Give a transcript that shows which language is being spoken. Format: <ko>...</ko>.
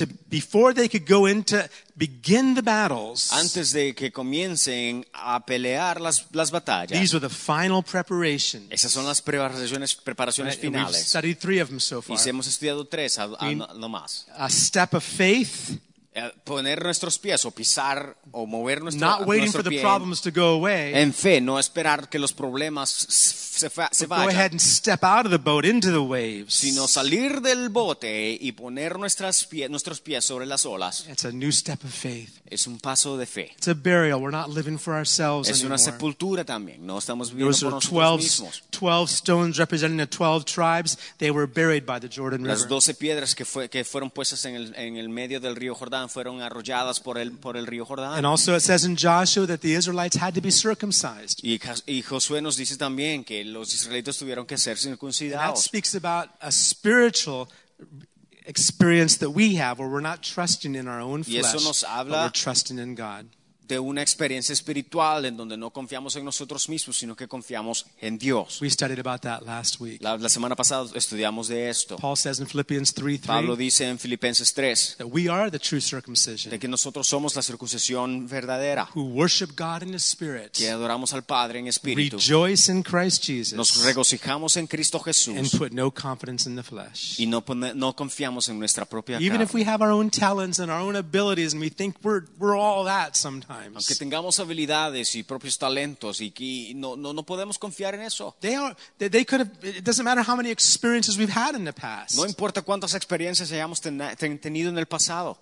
<en>Before they could go into begin the battles,</en> <es>antes de que comiencen a pelear las batallas,</es> <en>these were the final preparations.</en> <es>Esas son las preparaciones finales.</es> <en>We've studied three of them so far.</en> <es>Y hemos estudiado tres nomás.</es> <en>A step of faith.</en> <es>Poner nuestros pies o pisar o mover nuestro pie en fe, no esperar que los problemas se vayan,</es> <en>go ahead and step out of the boat into the waves,</en> <es>sino salir del bote y poner nuestros pies sobre las olas.</es> <en>It's a new step of faith.</en> <es>Es un paso de fe.</es> <en>It's a burial. We're not living for ourselves</en> <es>es</es> <en>anymore.</en> <es>Una sepultura también. No estamos viviendo por nosotros 12, mismos.</es> <en>12 stones representing the 12 tribes, they were buried by the Jordan River.</en> <es>Las 12 piedras que fueron puestas en el medio del río Jordán Jordán fueron arrolladas por el río Jordán.</es> <en>And also it says in Joshua that the Israelites had to be circumcised.</en> <es>Y Josué nos dice también que los israelitas tuvieron que ser circuncidados.</es> <en>And that speaks about a spiritual experience that we have where we're not trusting in our own flesh, but we're trusting in God.</en> <es>De una experiencia espiritual en donde no confiamos en nosotros mismos, sino que confiamos en Dios.</es> <en>We studied about that last week.</en> <es>La semana pasada estudiamos de esto.</es> <en>Paul says in Philippians 3:3,</en> <es>Pablo dice en Filipenses 3,</es> <en>that we are the true circumcision,</en> <es>de que nosotros somos la circuncisión verdadera,</es> <en>who worship God in the Spirit,</en> <es>que adoramos al Padre en espíritu,</es> <en>rejoice in Christ Jesus,</en> <es>nos regocijamos en Cristo Jesús,</es> <en>and put no confidence in the flesh.</en> <es>Y no confiamos en nuestra propia</es> <en>carne. Even if we have our own talents and our own abilities and we think we're all that sometimes.</en> <es>Aunque tengamos habilidades y propios talentos y que no podemos confiar en eso.</es> <en>They could have, it doesn't matter how many experiences we've had in the past.</en> <es>No importa cuántas experiencias hayamos tenido en el pasado.</es>